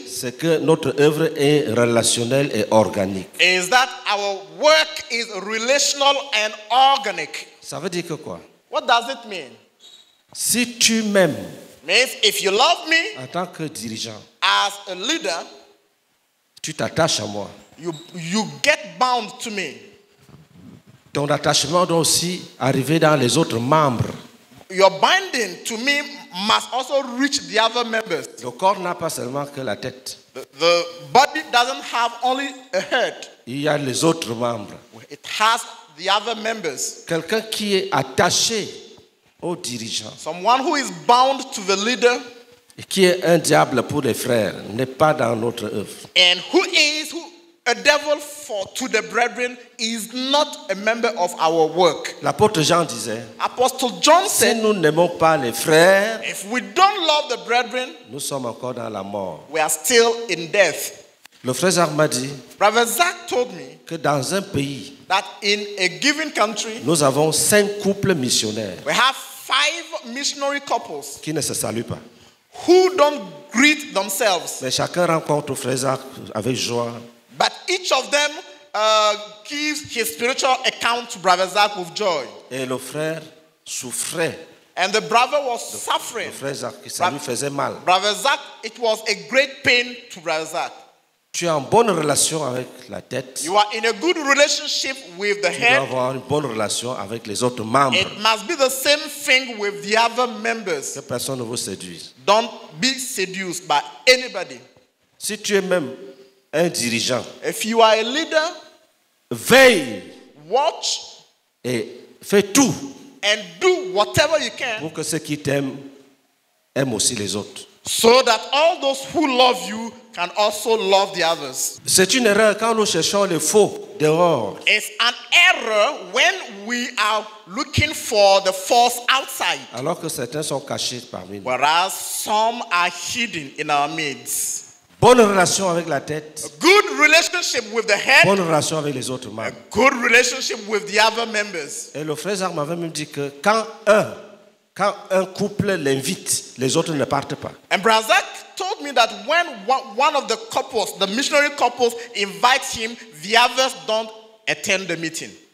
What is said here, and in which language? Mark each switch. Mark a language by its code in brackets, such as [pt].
[fr] c'est que notre œuvre est relationnelle et organique. [en] Is that our work is relational and organic. [fr] Ça veut dire que quoi? [en] What does it mean? [fr] Si tu m'aimes, [en] means if you love me, [fr] en tant que dirigeant, [en] as a leader, [fr] tu t'attaches à moi. [en] You get bound to me. [fr] Ton attachement doit aussi arriver dans les autres membres. [en] Your binding to me must also reach the other members. [fr] Le corps n'a pas seulement que la tête. [en] The body doesn't have only a head. [fr] Il y a les autres membres. [en] It has the other members. [fr] Quelqu'un qui est attaché au dirigeant. [en] Someone who is bound to the leader. [fr] Et qui est un diable pour les frères n'est pas dans notre œuvre. [en] And who is who a devil for to the brethren is not a member of our work. [fr] L'apôtre Jean disait, [en] Apostle John said, [fr] si nous n'aimons pas les frères, [en] if we don't love the brethren, [fr] nous sommes encore dans la mort. [en] We are still in death. [fr] Le frère Zach m'a dit, [en] Brother Zach told me, [fr] que dans un pays, [en] that in a given country, [fr] nous avons cinq couples missionnaires, [en] we have five missionary couples, [fr] qui ne se saluent pas, [en] who don't greet themselves. [fr] Mais chacun rencontre le frère Zach avec joie. [en] But each of them gives his spiritual account to Brother Zach with joy. [fr] Et le frère souffrait. [en] And the brother was suffering. [fr] Le frère Zach, ça lui faisait mal. [en] Brother Zach, it was a great pain to Brother Zach. [fr] Tu as une bonne relation avec la tête. [en] You are in a good relationship with the [fr] tu [en] head. [fr] Tu dois avoir une bonne relation avec les autres membres. [en] It must be the same thing with the other members. [fr] Que personne ne vous séduise. [en] Don't be seduced by anybody. [fr] Si tu es même un dirigeant, [en] if you are a leader, [fr] veille, [en] watch, [fr] et fais tout, [en] and do whatever you can, [fr] pour que ceux qui t'aiment aiment aussi les autres. [en] So that all those who love you can also love the others. [fr] C'est une erreur quand nous cherchons les faux dehors. [en] It's an error when we are looking for the false outside. [fr] Alors que certains sont cachés parmi nous. [en] Whereas some are hidden in our midst. [fr] Bonne relation avec la tête. [en] A good relationship with the head. [fr] Bonne relation avec les autres membres. [en] A good relationship with the other members. [fr] Et le frère Zach m'avait même dit que quand un couple l'invite, les autres ne partent pas. [en] And Brother Zach told me that when one of the couples, the missionary couples, invites him, the others don't attend the meeting.